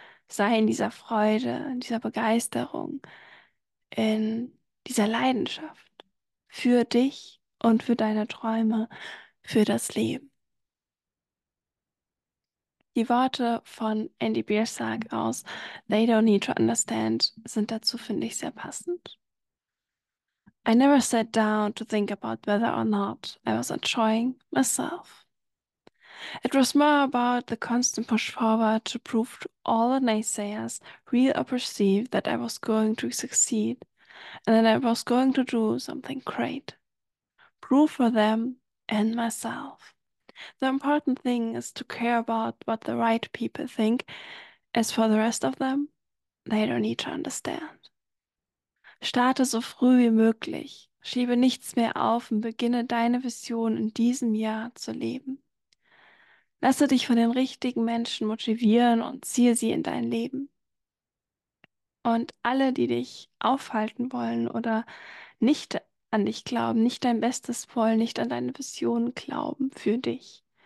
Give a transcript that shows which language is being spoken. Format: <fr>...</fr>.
<de>Sei in dieser Freude, in dieser Begeisterung, in dieser Leidenschaft für dich und für deine Träume, für das Leben. Die Worte von Andy Biersack aus They Don't Need to Understand sind dazu, finde ich, sehr passend.</de> <en>I never sat down to think about whether or not I was enjoying myself. It was more about the constant push forward to prove to all the naysayers, real or perceived, that I was going to succeed and that I was going to do something great. Prove for them and myself. The important thing is to care about what the right people think. As for the rest of them, they don't need to understand.</en> <de>Starte so früh wie möglich. Schiebe nichts mehr auf und beginne deine Vision in diesem Jahr zu leben. Lasse dich von den richtigen Menschen motivieren und ziehe sie in dein Leben. Und alle, die dich aufhalten wollen oder nicht an dich glauben, nicht dein Bestes wollen, nicht an deine Vision glauben für dich.</de>